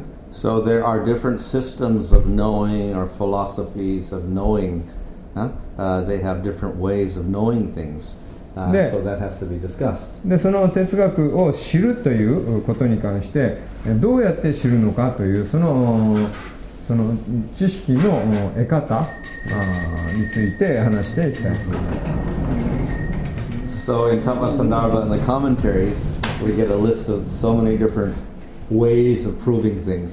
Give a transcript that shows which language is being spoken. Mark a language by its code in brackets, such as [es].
[en] So there are different systems of knowing or philosophies of knowing. They have different ways of knowing things. So that has to be discussed. [ja] で、その哲学を知るということに関して、どうやって知るのかというその知識の得方について話していきたいと思います。 [en] So in Tapasandarbha and the commentaries, we get a list of so many different ways of proving things.